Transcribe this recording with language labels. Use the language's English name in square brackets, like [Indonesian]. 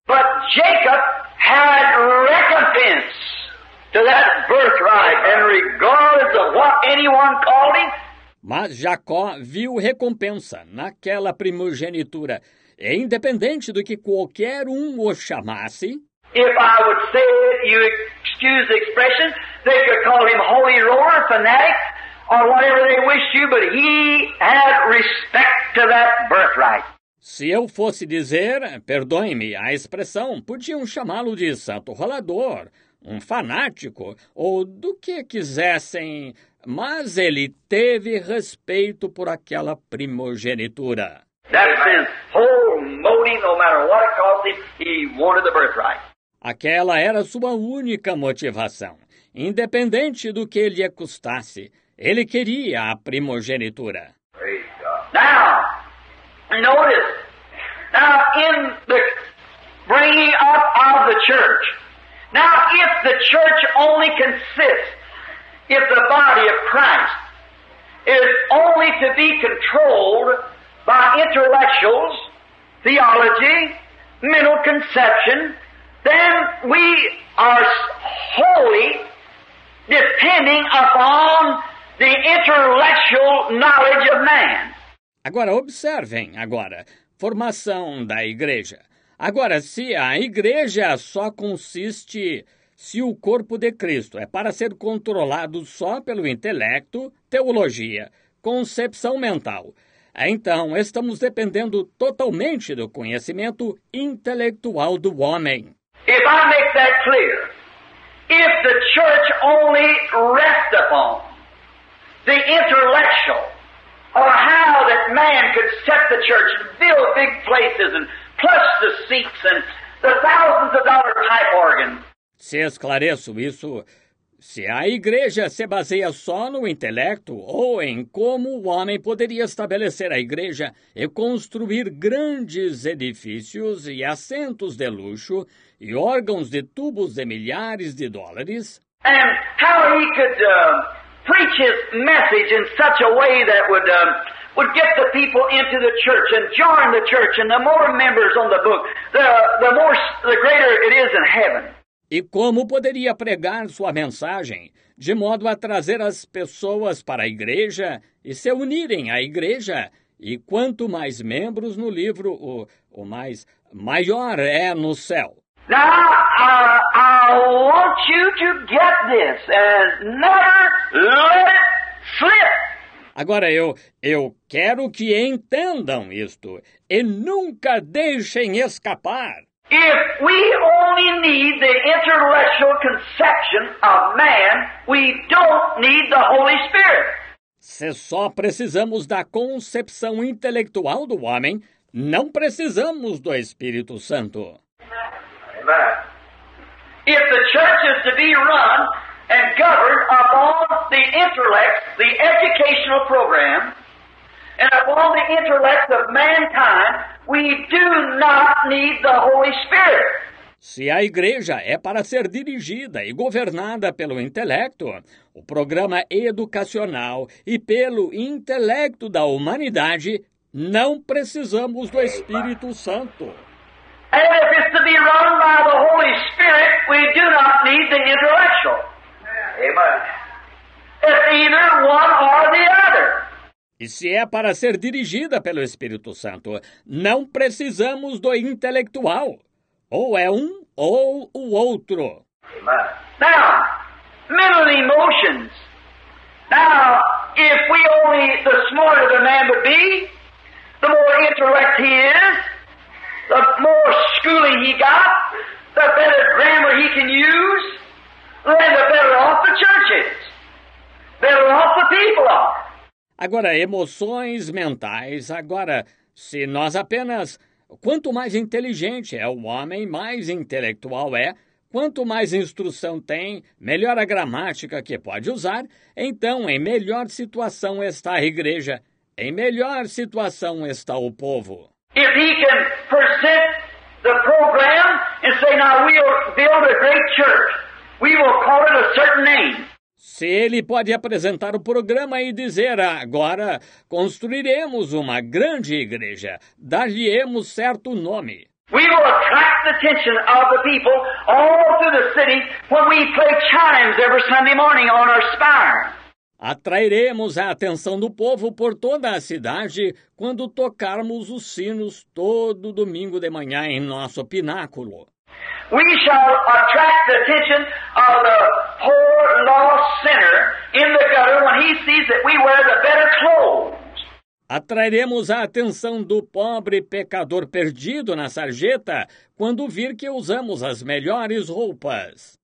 [English] But Jacob had recompense to that birthright and regardless of what anyone called him. [Portuguese] Mas Jacó viu recompensa naquela primogenitura, e independente do que qualquer um o chamasse. [English] If I would say it, you excuse the expression, they could call him holy roller, fanatic, or whatever they wish you, but he had respect to that birthright. [Portuguese] Se eu fosse dizer, perdoe-me a expressão, podiam chamá-lo de santo rolador, um fanático, ou do que quisessem. Mas ele teve respeito por aquela primogenitura. [English] That's his whole motive, no matter what it cost him, he wanted the birthright. [Portuguese] Aquela era sua única motivação. Independente do que lhe custasse, Ele queria a primogenitura. [English] Now, notice. Now, in the bringing up of the church. Now, if the church only consists, if the body of Christ is only to be controlled by intellectuals, theology, mental conception, then we are wholly depending upon the intellectual knowledge of man. [Portuguese] Agora, observem agora, formação da igreja. Agora, se a igreja só consiste, se o corpo de Cristo é para ser controlado só pelo intelecto, teologia, concepção mental, então estamos dependendo totalmente do conhecimento intelectual do homem. [English] If I make that clear, if the church only rests upon the intellectual, or how that man could set the church and build big places and plus the seats and the thousands of dollar type organ. [Portuguese] Se esclareço isso, se a igreja se baseia só no intelecto ou em como o homem poderia estabelecer a igreja e construir grandes edifícios e assentos de luxo e órgãos de tubos de milhares de dólares. [English] And how he could preach his message in such a way that would get the people into the church and join the church, and the more members on the book, the greater it is in heaven. [Portuguese] E como poderia pregar sua mensagem de modo a trazer as pessoas para a igreja e se unirem à igreja? E quanto mais membros no livro, o mais maior é no céu. [English] Now, I want you to get this and never let it slip. [Portuguese] Agora, eu quero que entendam isto e nunca deixem escapar. [English] If we only need the intellectual conception of man, we don't need the Holy Spirit. [Portuguese] Se só precisamos da concepção intelectual do homem, não precisamos do Espírito Santo. [English] Amen. If the church is to be run and governed upon the intellect, the educational program, and upon the intellect of mankind, we do not need the Holy Spirit. [Portuguese] Se a igreja é para ser dirigida e governada pelo intelecto, o programa educacional e pelo intelecto da humanidade, não precisamos do Espírito Santo. [English] And if it's to be run by the Holy Spirit, we do not need the intellectual. Amen. It's either one or the other. [Portuguese] E se é para ser dirigida pelo Espírito Santo, não precisamos do intelectual. Ou é um ou o outro. [English] Now, mental emotions. Now, if we only, the smarter the man would be, the more intellect he is, the more schooling he got, the better grammar he can use, then the better off the church is. Better off the people are. [Portuguese] Agora, emoções mentais, agora, se nós apenas... Quanto mais inteligente é o homem, mais intelectual é. Quanto mais instrução tem, melhor a gramática que pode usar. Então, em melhor situação está a igreja. Em melhor situação está o povo. [English] If he can present the program and say, now we'll build a great church, we will call it a certain name. [Portuguese] Se ele pode apresentar o programa e dizer, agora construiremos uma grande igreja, dar-lhe-emos certo nome. [English] We will attract the attention of the people all through the city when we play chimes every Sunday morning on our spire. [Portuguese] Atrairemos a atenção do povo por toda a cidade quando tocarmos os sinos todo domingo de manhã em nosso pináculo. [English] We shall attract the attention of the poor lost sinner in the gutter when he sees that we wear the better clothes. [Portuguese] Atrairemos a atenção do pobre pecador perdido na sarjeta quando vir que usamos as melhores roupas.